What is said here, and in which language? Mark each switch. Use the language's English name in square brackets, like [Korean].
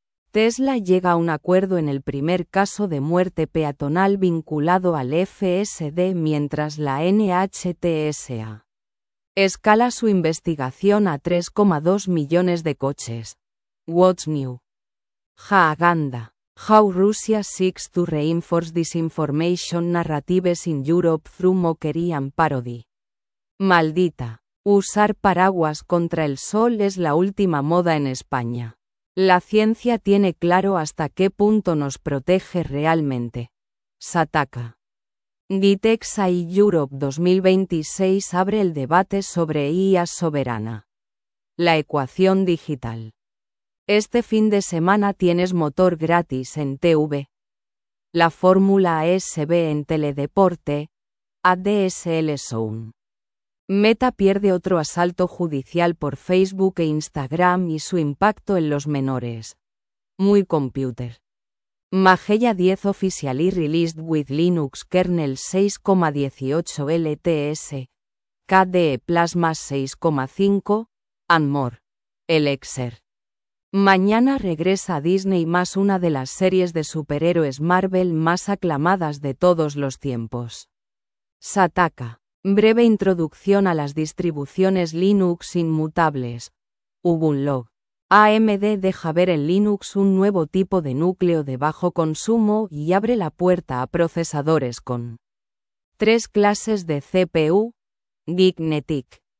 [Spanish] Tesla llega a un acuerdo en el primer caso de muerte peatonal vinculado al FSD mientras la NHTSA escala su investigación a 3,2 millones de coches. [English] What's new? Jaaganda. How Russia seeks to reinforce disinformation narratives in Europe through mockery and parody. [Spanish] Maldita. Usar paraguas contra el sol es la última moda en España. La ciencia tiene claro hasta qué punto nos protege realmente. Sataka. DITEXA y Europe 2026 abre el debate sobre IA soberana. La ecuación digital. Este fin de semana tienes motor gratis en TV. La Fórmula ASB en Teledeporte. ADSL Zone. Meta pierde otro asalto judicial por Facebook e Instagram y su impacto en los menores. Muy computer. [English] Mageia 10 officially released with Linux kernel 6.18 LTS, KDE Plasma 6.5, and more. Elixir. [Spanish] Mañana regresa a Disney más una de las series de superhéroes Marvel más aclamadas de todos los tiempos. Sataka. Breve introducción a las distribuciones Linux inmutables. Ubuntu. AMD deja ver en Linux un nuevo tipo de núcleo de bajo consumo y abre la puerta a procesadores con tres clases de CPU. Dignetic.